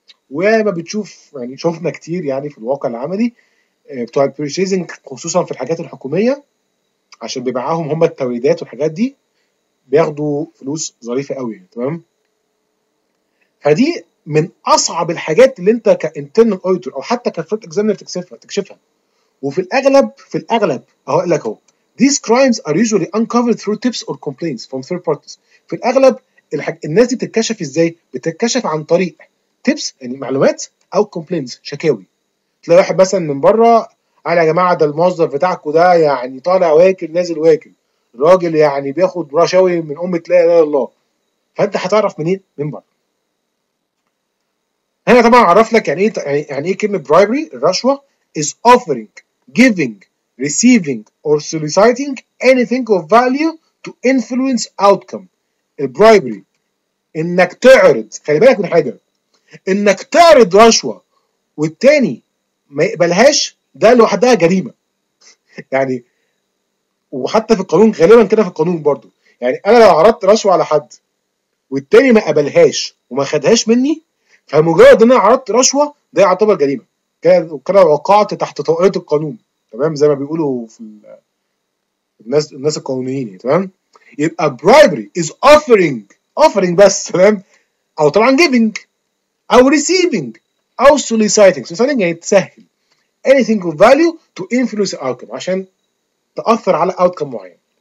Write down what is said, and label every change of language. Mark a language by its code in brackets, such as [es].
[ar] وما بتشوف يعني شفنا كتير يعني في الواقع العملي بتوع البرشيزنج خصوصا في الحاجات الحكومية، عشان بيبيعوهم هم التوريدات والحاجات دي بياخدوا فلوس ظريفة قوي. تمام، فدي من اصعب الحاجات اللي انت كانترنال اويتر او حتى كفرت اكزامينر تكشفها. وفي الاغلب، في الاغلب هقول لك اهو، [en] these crimes are usually uncovered through tips or complaints from third parties. [ar] في الاغلب الناس دي بتتكشف ازاي؟ بتتكشف عن طريق tips يعني معلومات او complaints شكاوي. تلاقي واحد مثلا من بره قال يا جماعه ده الموظف بتاعكم ده يعني طالع واكل نازل واكل، الراجل يعني بياخد رشاوي من امه لا اله الا الله. فانت هتعرف منين؟ من بره. هنا طبعا اعرف لك يعني ايه، يعني ايه كلمه برايبري. [en] الرشوه is offering giving receiving or soliciting anything of value to influence outcome. [ar] البرايبري انك تعرض، خلي بالك من حاجه، انك تعرض رشوه والتاني ما يقبلهاش ده لوحدها جريمه. يعني وحتى في القانون غالبا كده في القانون برضو، يعني انا لو عرضت رشوه على حد والتاني ما قبلهاش وما خدهاش مني، فمجرد ان انا عرضت رشوه ده يعتبر جريمه كده، وقعت تحت طائره القانون. تمام، زي ما بيقولوا في الناس القانونيين. تمام، يبقى برايبري از offering بس. تمام، او طبعا giving او receiving او soliciting. soliciting يعني تسهل [en] anything of value to influence outcome، [ar] عشان تاثر على outcome معين.